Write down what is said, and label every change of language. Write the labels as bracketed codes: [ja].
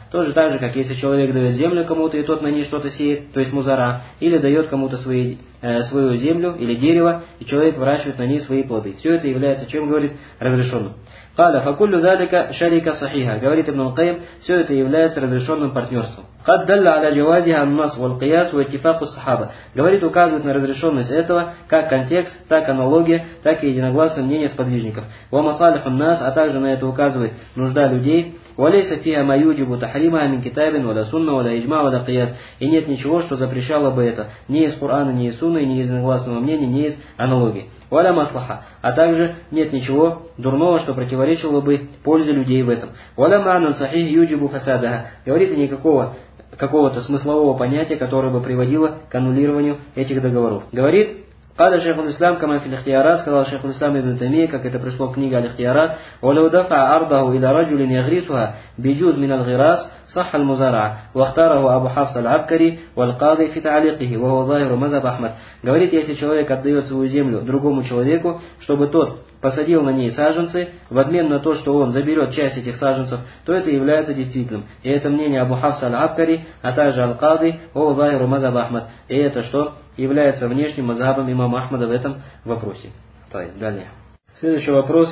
[ru] Тоже так же, как если человек дает землю кому-то, и тот на ней что-то сеет, то есть музара, или дает кому-то свою землю или дерево, и человек выращивает на ней свои плоды. Все это является, чем говорит, разрешенным. [ar] Кала факуллю залика шарика сахиха. [ru] Говорит ибн аль-Кайм, все это является разрешенным партнерством. [ar] قد دل على جوازها النص والقياس واتفاق الصحابة. [ru] Говорит, указывает на разрешенность этого как контекст, так аналогия, так и единогласное мнение сподвижников. [ar] ومصالح الناس, [ru] а также на это указывает нужда людей. [ar] وليس فيها ما يوجب تحريمها من كتاب ولا سنة ولا إجماع ولا قياس. [ru] И нет ничего, что запрещало бы это, ни из Корана, ни из Сунны, ни из негласного мнения, ни из аналогии. [ar] Валя маслаха. [ru] А также нет ничего дурного, что противоречило бы пользе людей в этом. [ar] Валя маанан сахих юджибу хасадаха. [ru] Говорит, никакого какого-то смыслового понятия, которое бы приводило к аннулированию этих договоров. Говорит, [ar] قَالَ شَيْخُ الْإِسْلَامِ كَمَا فِي الْإِخْتِيَارَاتِ [ru] сказал шейху ислама ибн Таймия, как это пришло в книге «Аль-Ихтиарат», [ar] وَلَوْ دَفَعَ أَرْضَهُ إِلَى رَجُلٍ يَغْرِسُهَا بِجُزْءٍ مِنَ الْغِرَاسِ صَحَّ الْمُزَارَعَ وَاخْتَارَهُ أَبُو حَفْصَ الْعَبْكَرِي وَالْقَاضِي فِي تَعْلِيقِهِ وَهُوَ ظَاهِرُ مَذْهَبِ أَحْمَدَ. [ru] Говорит, если человек отдает свою землю другому человеку, чтобы тот посадил на ней саженцы, в обмен на то, что он заберет часть этих саженцев, то это является действительным. И это мнение Абу Хафса аль-Абкари, а также аль-Кады, о Зайру Мазаб Ахмад. И это что является внешним мазабом имама Ахмада в этом вопросе. Так, далее. Следующий вопрос.